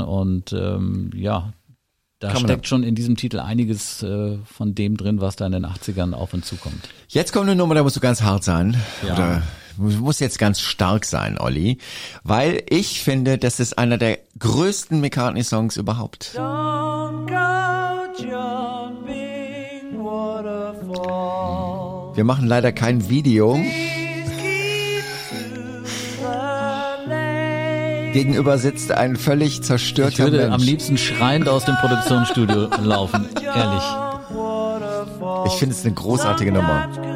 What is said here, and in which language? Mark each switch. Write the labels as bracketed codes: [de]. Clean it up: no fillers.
[de] Und da Coming steckt up. Schon in diesem Titel einiges von dem drin, was da in den 80ern auf uns zukommt. Jetzt kommt eine Nummer, da musst du ganz hart sein. Ja. Oder muss jetzt ganz stark sein, Olli. Weil ich finde, das ist einer der größten McCartney-Songs überhaupt. [en] Don't go jumping waterfalls. [de] Wir machen leider kein Video. Gegenüber sitzt ein völlig zerstörter Mensch. Ich würde am liebsten schreiend aus dem Produktionsstudio laufen, ehrlich. Ich finde es eine großartige Nummer.